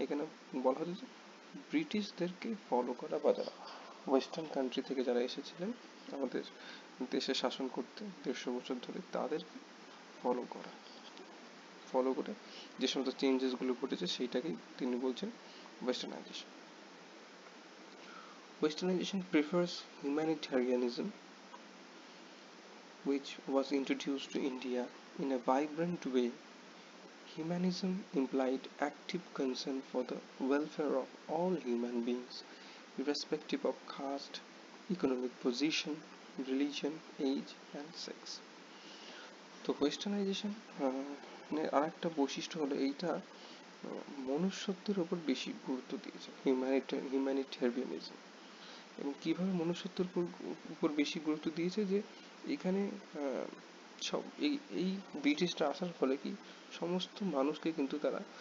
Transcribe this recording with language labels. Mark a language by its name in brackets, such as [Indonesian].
[Bangla] এখানে বলা হচ্ছে যে ব্রিটিশদেরকে ফলো করা বা যারা ওয়েস্টার্ন কান্ট্রি থেকে যারা এসেছিলেন আমাদের দেশে শাসন করতে 150 বছর ধরে, তাদেরকে ফলো করে যে সমস্ত চেঞ্জেসগুলো ঘটেছে সেইটাকেই তিনি বলছেন ওয়েস্টার্নাইজেশন. [English] Westernisation prefers humanitarianism, which was introduced to India in a vibrant way. Humanism implied active concern for the welfare of all human beings, irrespective of caste, economic position, religion, age and sex. [Bangla] তো ওয়েস্টার্নাইজেশন আর একটা বৈশিষ্ট্য হলো এইটা মনুষ্যত্বের উপর বেশি গুরুত্ব দিয়েছে, হিউম্যানিটেরিয়ানিজম. এবং কিভাবে মনুষ্যত্বের উপর বেশি গুরুত্ব দিয়েছে, যে এখানে সব এই এই ব্রিটিশটা আসার ফলে কি সমস্ত মানুষকে কিন্তু তারা